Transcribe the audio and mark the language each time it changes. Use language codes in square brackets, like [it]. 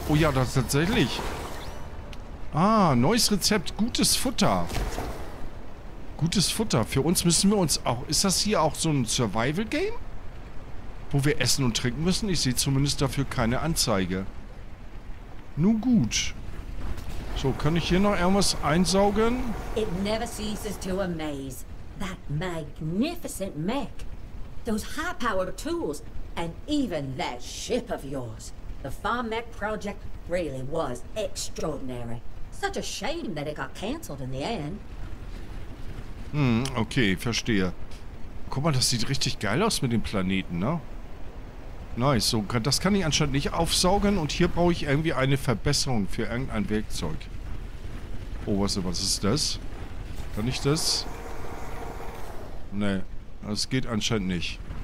[de] Oh ja, das tatsächlich. Ah, neues Rezept. Gutes Futter. Gutes Futter. Für uns müssen wir uns auch... Ist das hier auch so ein Survival-Game? Wo wir essen und trinken müssen? Ich sehe zumindest dafür keine Anzeige. Nun gut. So, kann ich hier noch irgendwas einsaugen? [en] It never ceases to amaze. That magnificent mech. Those high-powered tools. And even that ship of yours. The Farm Mech Project really was extraordinary. Such a shame that it got cancelled in the end. [de] Hm, okay, verstehe. Guck mal, das sieht richtig geil aus mit dem Planeten, ne? Nice, so, das kann ich anscheinend nicht aufsaugen und hier brauche ich irgendwie eine Verbesserung für irgendein Werkzeug. Oh, was ist das? Kann ich das? Nee, das geht anscheinend nicht.